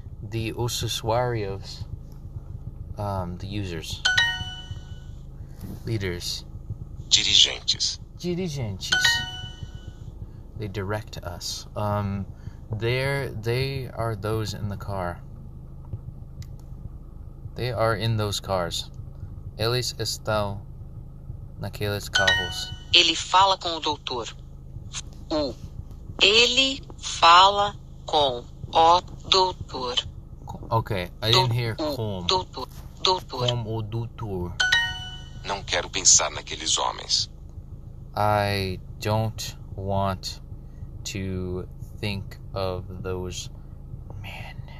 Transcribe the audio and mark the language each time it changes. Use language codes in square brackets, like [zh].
[en] The usuarios. The users. Leaders. [pt] Dirigentes. [en] Dirigentes. They direct us. They are those in the car. They are in those cars. [pt] Eles estão naqueles carros. Ele fala com o doutor. O. Ele fala com o doutor. [en] Okay, I didn't hear com. [pt] Doutor. Com o doutor. Não quero pensar naqueles homens. [en] I don't want to think of those men.